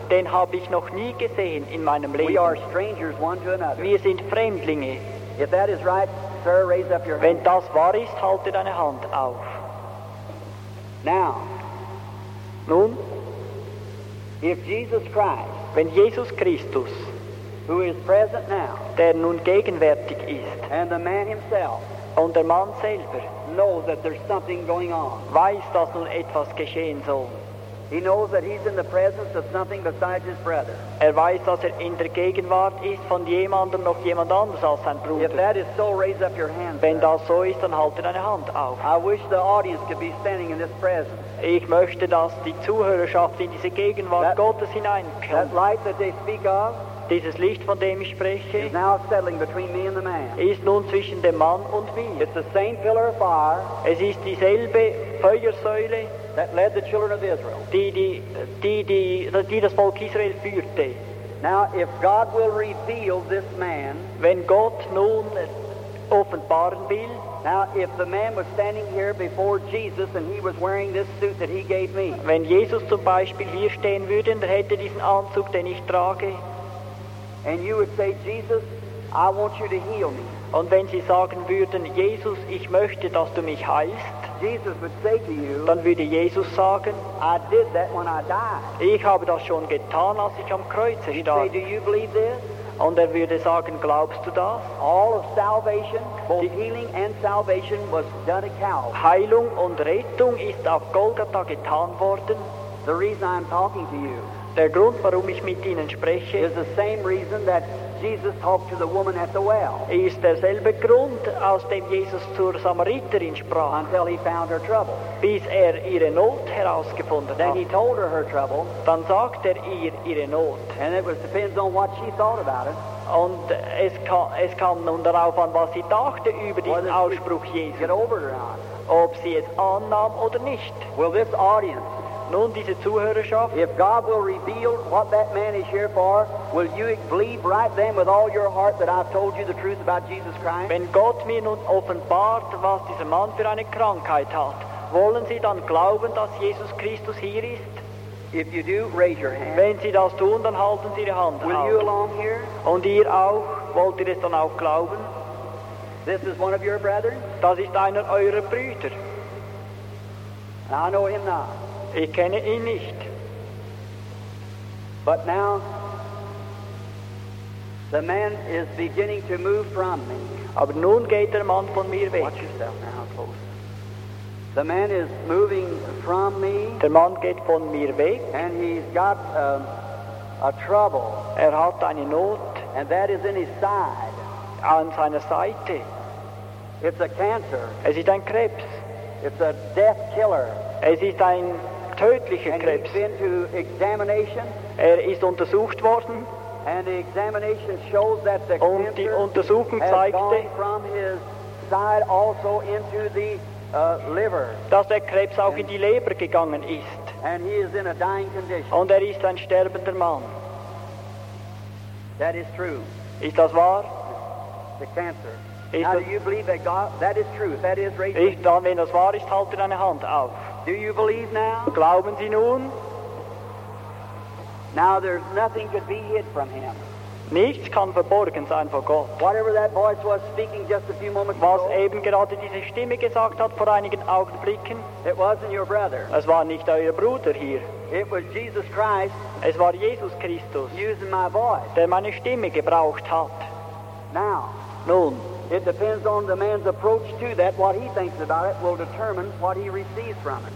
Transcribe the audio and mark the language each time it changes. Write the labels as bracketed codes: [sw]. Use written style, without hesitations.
[de] Den habe ich noch nie gesehen in meinem Leben. [en] We are strangers one to another. [de] Wir sind Fremdlinge. [en] If that is right, sir, raise up your hand. [de] Wenn das wahr ist, halte deine Hand auf. [en] Now. [de] Nun. [en] If Jesus Christ, [de] wenn Jesus Christus, [en] who is present now, [de] der nun gegenwärtig ist, [en] and the man himself, [de] und der Mann selber, [en] knows that there's something going on, [de] weiß, dass nun etwas geschehen soll. [en] He knows that he's in the presence of something besides his brother. [de] Er weiß, dass in der Gegenwart ist von jemandem noch jemand anders als sein Bruder. [en] If that is so, raise up your hand. [de] Wenn das so ist, dann halte deine Hand auf. [en] I wish the audience could be standing in this presence. [de] Ich möchte, dass die Zuhörerschaft in diese Gegenwart Gottes hineinkommt. [en] That light that they speak of, [de] dieses Licht, von dem ich spreche, [en] is now settling between me and the man. [de] Ist nun zwischen dem Mann und mir. [en] It's the same pillar of fire, [de] es ist dieselbe Feuersäule, [en] that led the children of Israel. [de] Die das Volk Israel führte. [en] Now, if God will reveal this man, [de] wenn Gott nun offenbaren will, [en] now, if the man was standing here before Jesus and he was wearing this suit that he gave me, [de] wenn Jesus zum Beispiel hier stehen würde und er hätte diesen Anzug, den ich trage, [en] and you would say, Jesus, I want you to heal me. [de] Und wenn Sie sagen würden, Jesus, ich möchte, dass du mich heilst, [en] Jesus would say to you, [de] dann würde Jesus sagen, [en] I did that when I died. [de] Ich habe das schon getan, als ich am Kreuz stand. [en] He'd say, do you believe this? [de] Und er würde sagen, glaubst du das? [en] All of salvation, both healing and salvation, was done at Calvary. [de] Heilung und Rettung ist auf Golgatha getan worden. [en] The reason I'm talking to you, [de] der Grund, warum ich mit Ihnen spreche, [en] is the same reason that Jesus talked to the woman at the well. [de] Ist derselbe Grund, aus dem Jesus zur Samariterin sprach. [en] Until he found her trouble. [de] Bis ihre Not herausgefunden [en] then [de] hat. [en] Then he told her her trouble. [de] Dann sagt ihr ihre Not. [en] And it was depends on what she thought about it. [de] Und es kam nun darauf an, was sie dachte über diesen Ausspruch Jesu. [en] Get over it or not. [de] Ob sie es annahm oder nicht. [en] Will this audience, [de] nun, diese Zuhörerschaft, [en] if God will reveal what that man is here for, will you believe right then with all your heart that I've told you the truth about Jesus Christ? [de] Wenn Gott mir nun offenbart, was dieser Mann für eine Krankheit hat, wollen Sie dann glauben, dass Jesus Christus hier ist? [en] If you do, raise your hand. [de] Wenn Sie das tun, dann halten Sie Ihre Hand [en] will [de] auf. [en] You along here? [de] Und ihr auch, wollt ihr es dann auch glauben? [en] This is one of your brethren? [de] Das ist einer eurer Brüder. [en] And I know him not. [de] Ich kenne ihn nicht. [en] But now, the man is beginning to move from me. [de] Aber nun geht der Mann von mir weg. [en] Watch yourself now, close. The man is moving from me. [de] Der Mann geht von mir weg. [en] And he's got a trouble. [de] Er hat eine Not. [en] And that is in his side. [de] An seiner Seite. [en] It's a cancer. [de] Es ist ein Krebs. [en] It's a death killer. [de] Es ist ein tödlicher Krebs. [en] And he's been to examination. [de] Er ist untersucht worden. [en] And the examination shows that the [de] und die Untersuchung zeigte, [en] from his side also into the, liver. [de] Dass der Krebs auch in die Leber gegangen ist. [en] And he is in a dying condition. [de] Und ist ein sterbender Mann. [en] That is true. [de] Ist das wahr? [en] The cancer. Now, do you believe that God, that is true, that is right? [de] Ich, dann, wenn das wahr ist, halte deine Hand auf. [en] Do you believe now? [de] Glauben Sie nun? [en] Now, there's nothing could be hid from him. [de] Nichts kann verborgen sein vor Gott. [en] Whatever that voice was speaking just a few moments [de] was [en] ago, [de] eben gerade diese Stimme gesagt hat vor einigen Augenblicken, [en] it wasn't your brother. [de] Es war nicht euer Bruder hier. [en] It was Jesus Christ. [de] Es war Jesus Christus, [en] using my voice, [de] der meine Stimme gebraucht hat. [en] Now, [de] nun, [en] it depends on the man's approach to that. What he thinks about it will determine what he receives from it.